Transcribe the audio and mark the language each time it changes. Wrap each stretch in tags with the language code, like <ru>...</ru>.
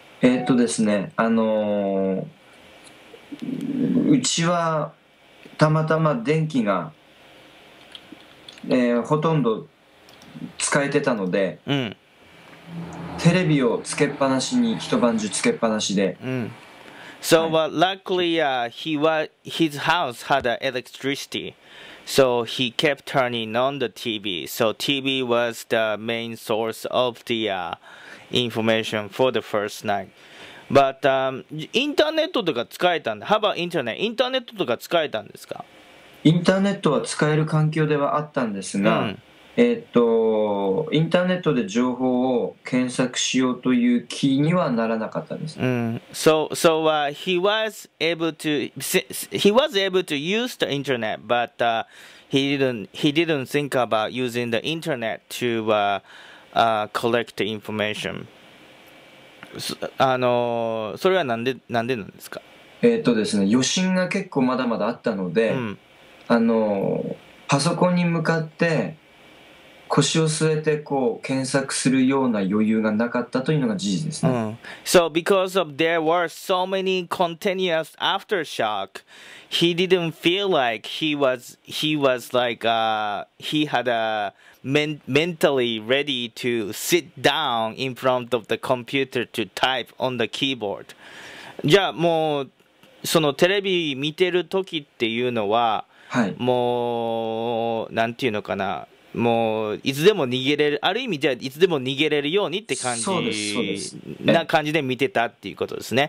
<ja>ですね、うちはたまたま電気が、ほとんど使えてたので、うん、テレビをつけっぱなしに、一晩中つけっぱなしで、うん、</ja> <en>So, but luckily, his house had electricity, so he kept turning on the TV. So TV was the main source of the information for the first night. But internet</en> <ja>とか使えたんで、</ja> <en>How about internet?</en> <ja>Internet とか使えたんですか？ Internet は使える環境ではあったんですが、インターネットで情報を検索しようという気にはならなかったです。うん。</ja> <en>So, he was able to use the internet, but he didn't think about using the internet to collect the information.</en> <ja>それはなんでなんですか？ですね、余震が結構まだまだあったので、うん、パソコンに向かって腰を据えてこう検索するような余裕がなかったというのが事実ですね。うん。</ja> <en>So because of there were so many continuous aftershock, he didn't feel like he was like he had a mentally ready to sit down in front of the computer to type on the keyboard.</en> <ja>じゃあもうそのテレビ見てる時っていうのは、はい、もうなんていうのかな。もういつでも逃げれる、ある意味じゃあいつでも逃げれるようにって感じな感じで見てたっていうことですね。</ja>